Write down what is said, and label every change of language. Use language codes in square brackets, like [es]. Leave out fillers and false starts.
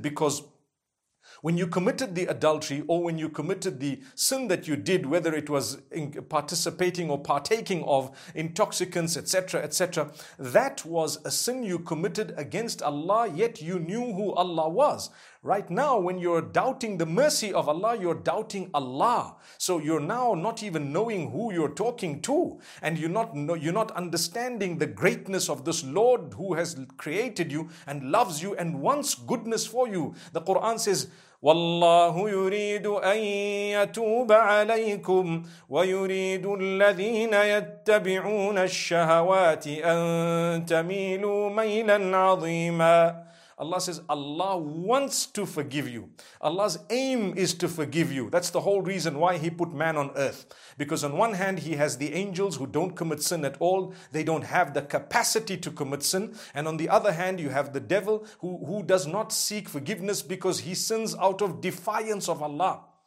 [en] Because when you committed the adultery, or when you committed the sin that you did, whether it was participating or partaking of intoxicants, etc., etc., that was a sin you committed against Allah, yet you knew who Allah was. Right now, when you're doubting the mercy of Allah, you're doubting Allah. So you're now not even knowing who you're talking to. And you're not understanding the greatness of this Lord who has created you and loves you and wants goodness for you. The Quran says, [ar] وَاللَّهُ يُرِيدُ أَن يَتُوبَ عَلَيْكُمْ وَيُرِيدُ الَّذِينَ يَتَّبِعُونَ الشَّهَوَاتِ أَن تَمِيلُوا مَيْلًا عَظِيمًا. [en] Allah says, Allah wants to forgive you. Allah's aim is to forgive you. That's the whole reason why he put man on earth. Because on one hand, he has the angels who don't commit sin at all. They don't have the capacity to commit sin. And on the other hand, you have the devil who does not seek forgiveness, because he sins out of defiance of Allah.